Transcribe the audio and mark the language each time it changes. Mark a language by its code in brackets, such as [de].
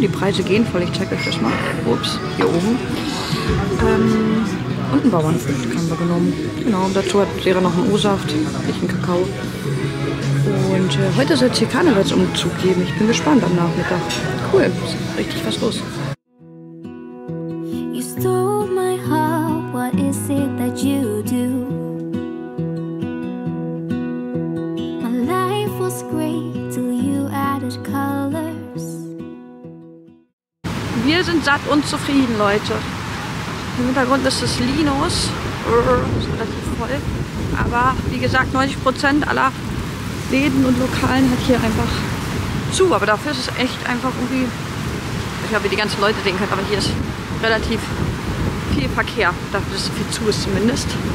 [de] Die Preise gehen voll, ich zeige euch das mal. Ups, hier oben. Und ein Bauernfrühstück haben wir genommen. Genau, und dazu hat Sarah noch einen O-Saft, ich einen Kakao. Und heute soll es hier Karnevalsumzug geben. Ich bin gespannt am Nachmittag. Cool, ist richtig was los. [en] You stole my heart, what is it that you do? My life was great till you added colors. [de] Wir sind satt und zufrieden, Leute. Im Hintergrund ist das Linus, das ist relativ voll, aber wie gesagt, 90% aller Läden und Lokalen hat hier einfach zu, aber dafür ist es echt einfach irgendwie, ich weiß nicht, ob ihr die ganzen Leute sehen könnt, aber hier ist relativ viel Verkehr, dafür ist viel zu ist zumindest.